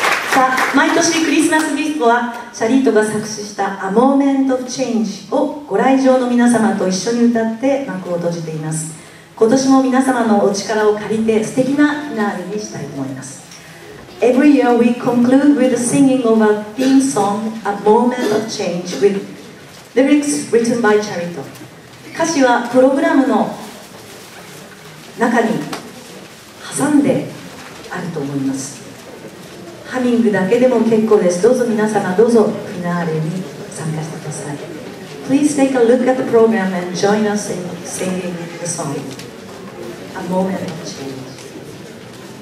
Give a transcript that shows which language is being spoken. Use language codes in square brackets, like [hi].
[ja] さあ、毎年クリスマスギフトはチャリートが作詞した A Moment of Change をご来場の皆様と一緒に歌って幕を閉じています。今年も皆様のお力を借りて素敵なフィナーレにしたいと思います。 [en] Every year we conclude with the singing of a theme song A Moment of Change with lyrics written by Charito。 [ja] 歌詞はプログラムの中に挟んであると思います。ハミングだけでも結構です。どうぞ皆様、どうぞフィナーレに参加してください。 [en] Please take a look at the program and join us in singing the song A Moment of Change。